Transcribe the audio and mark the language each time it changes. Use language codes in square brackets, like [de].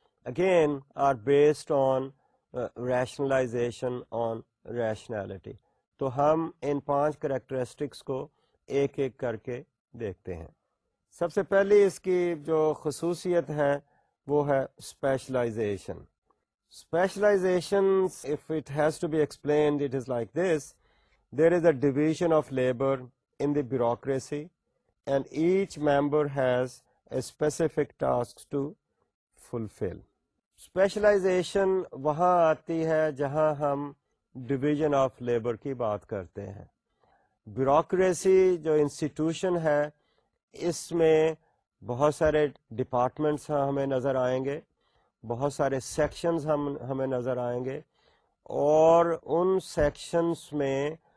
[en] again are based on rationalization on rationality. [ur] تو ہم ان پانچ کریکٹرسٹکس کو ایک ایک کر کے دیکھتے ہیں. سب سے پہلے اس کی جو خصوصیت ہے وہ ہے specialisation. [en] Specialisation if it has to be explained it is like this, there is a division of labour in the bureaucracy and each member has a specific task to fulfil. [ur] Specialisation وہاں آتی ہے جہاں ہم division of labour کی بات کرتے ہیں. Bureaucracy جو انسٹیٹیوشن ہے اس میں بہت سارے ڈپارٹمنٹس ہمیں نظر آئیں گے, بہت سارے سیکشنز ہمیں نظر آئیں گے, اور ان سیکشنز میں